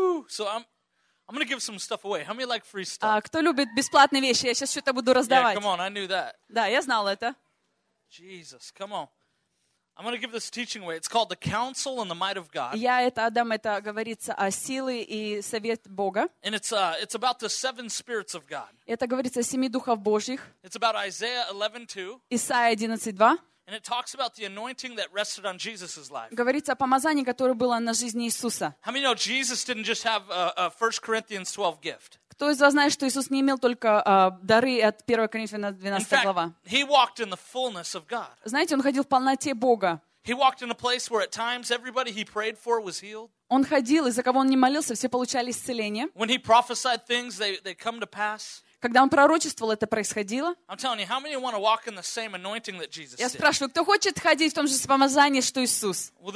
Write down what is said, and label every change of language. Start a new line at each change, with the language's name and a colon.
English: So I'm gonna give some stuff away. How many like free stuff?
Russian: Кто любит бесплатные вещи? Я сейчас что-то буду раздавать.
English: Yeah, come on, I knew that.
Russian: Да, я знал это.
English: Jesus, come on. I'm gonna give this teaching away. It's called the counsel and the might of God.
Russian: Я это отдам, это говорится о силе и совет Бога.
English: And it's about the seven spirits of God.
Russian: Это говорится о семи духах Божьих.
English: It's about Isaiah 11:2.
Russian: Исаия 11:2.
English: And it talks about the anointing that rested on Jesus' life.
Russian: Говорится о помазании, которое было на жизни Иисуса.
English: How many know Jesus didn't just have a 1 Corinthians 12 gift?
Russian: Кто из вас знает, что Иисус не имел только дары от 1 Коринфянам 12 глава?
English: In fact, he walked in the fullness of God.
Russian: Знаете, он ходил в полноте Бога.
English: He walked in a place where at times everybody he prayed for was healed.
Russian: Он ходил, и за кого он не молился, все получали исцеление.
English: When he prophesied things, they come to pass.
Russian: Когда он пророчествовал, это происходило. Я спрашиваю, кто хочет ходить в том же помазании, что Иисус?